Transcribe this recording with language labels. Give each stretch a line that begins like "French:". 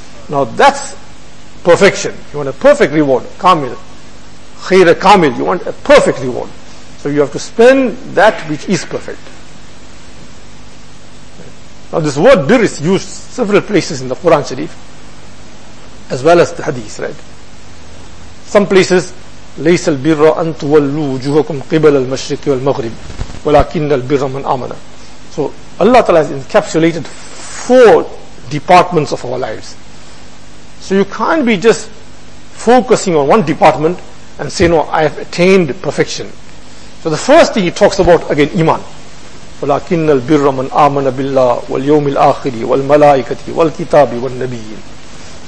English: Now that's perfection. You want a perfect reward. Kamil. Khair Kamil. You want a perfect reward. So you have to spend that which is perfect. Now this word bir is used several places in the Quran Sharif as well as the Hadith, right? Some places,
Arabic: لَيْسَ الْبِرَّ أَن تُوَلُّوا وُجُوهَكُمْ قِبَلَ الْمَشْرِقِ وَالْمَغْرِبِ وَلَكِنَّ الْبِرَّ مَنْ آمَنَ.
English: So Allah Ta'ala has encapsulated four departments of our lives. So you can't be just focusing on one department and say, no, I have attained perfection. So the first thing He talks about, again, Iman.
Arabic: وَلَكِنَّ الْبِرَّ مَنْ آمَنَ بِاللَّهِ وَالْيَوْمِ الْآخِرِ وَالْمَلَائِكَةِ وَالْكِتَابِ وَالنَّبِيِّينَ.